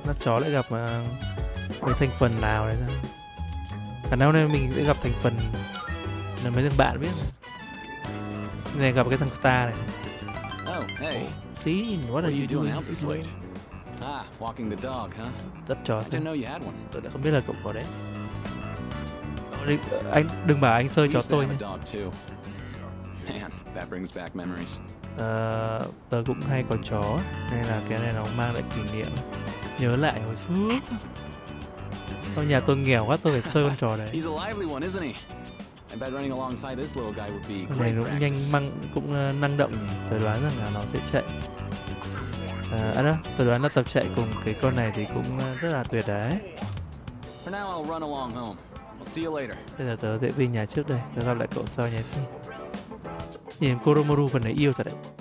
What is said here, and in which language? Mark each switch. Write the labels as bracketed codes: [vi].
[vi] Rất chó lại gặp cái thành phần nào đấy. Khả năng này mình sẽ gặp thành phần là mấy thằng bạn biết này, gặp cái thằng ta này. [en] Oh hey, Dean, what are you doing out this late? Ah, walking the dog, huh? [vi] Rất chó. [en] I didn't know you had one. [vi] Tôi đã không biết là cậu có đấy. Anh đừng bảo anh sơi chó tôi nhé. [en] Man, that brings back memories. [vi] Tôi cũng hay có chó, nên là cái này nó mang lại kỷ niệm, nhớ lại hồi xưa. Trong nhà tôi nghèo quá, tôi phải sơi con chó đấy. [en] He's a lively one, isn't he? I bet running alongside this little guy would be great. [vi] Này nó cũng nhanh măng, cũng năng động. Tôi đoán rằng là nó sẽ chạy. Tôi đoán là tập chạy cùng cái con này thì cũng rất là tuyệt đấy. [en] For now I'll run along home. I'll see you later. [vi] Bây giờ tớ sẽ về nhà trước đây. Tớ gặp lại cậu sau nhé. Nhìn Koromaru phần này yêu thật đấy.